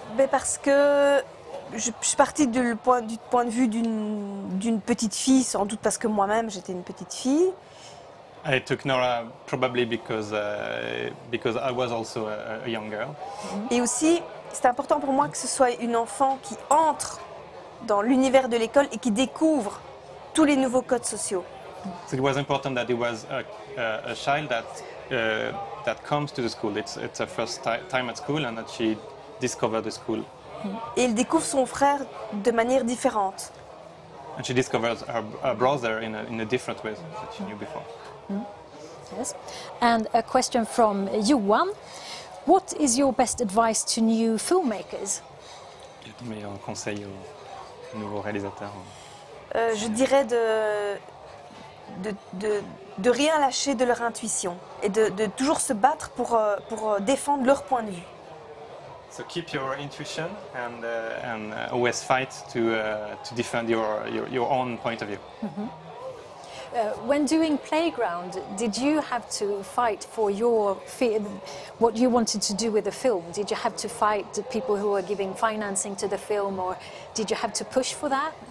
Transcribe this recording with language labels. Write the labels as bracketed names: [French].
[French] Parce que je suis partie du point de vue d'une petite fille, sans doute parce que moi-même j'étais une petite fille. [English] I took Nora probably because I was also a young girl. [French] Et aussi, c'est important pour moi que ce soit une enfant qui entre dans l'univers de l'école et qui découvre tous les nouveaux codes sociaux. [English] So it was important that it was a child that comes to the school. It's her first time at school and that she discovered the school. [French] Et elle découvre son frère de manière différente. [English] And she discovers her brother in a different way that she knew before. Yes. And a question from Johan. What is your best advice to new filmmakers? [French] Quel est ton meilleur conseil aux nouveaux réalisateurs? Je dirais de rien lâcher de leur intuition et de toujours se battre pour défendre leur point de vue. [English] So keep your intuition and always fight to defend your own point of view. When doing Playground, did you have to fight for your what you wanted to do with the film? Did you have to fight the people who were giving financing to the film, or did you have to push for that?